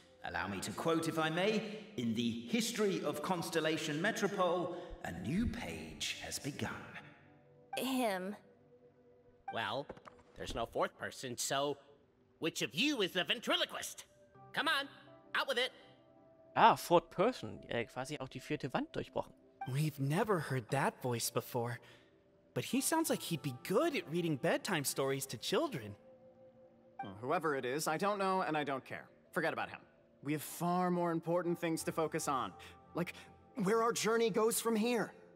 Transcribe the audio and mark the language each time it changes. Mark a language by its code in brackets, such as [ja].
[en] Allow me to quote, if I may, in the history of Constellation Metropole, a new page has begun. Him. Well, there's no fourth person, so which of you is the ventriloquist? Come on, out with it. [de] Ah, [en] fourth person, [de] quasi auch die vierte Wand durchbrochen. [en] We've never heard that voice before, but he sounds like he'd be good at reading bedtime stories to children. Well, whoever it is, I don't know and I don't care. Forget about him. We have far more important things to focus on, like where our journey goes from here.